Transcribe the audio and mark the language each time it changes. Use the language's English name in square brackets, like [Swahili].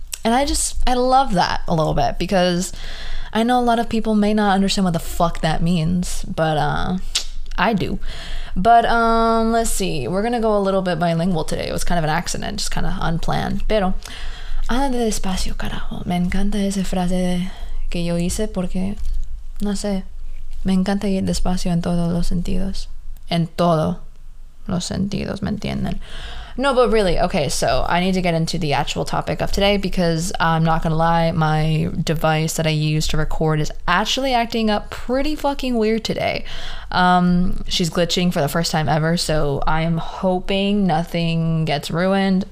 [English] And I love that a little bit because I know a lot of people may not understand what the fuck that means, but I do. But let's see. We're going to go a little bit bilingual today. It was kind of an accident, just kind of unplanned. [Spanish] Pero, ándate despacio, carajo. Me encanta esa frase que yo hice porque, no sé, me encanta ir despacio en todos los sentidos. En todos los sentidos, ¿me entienden? [English] No, but really, okay, so I need to get into the actual topic of today because I'm not gonna lie, my device that I use to record is actually acting up pretty fucking weird today. She's glitching for the first time ever, so I am hoping nothing gets ruined.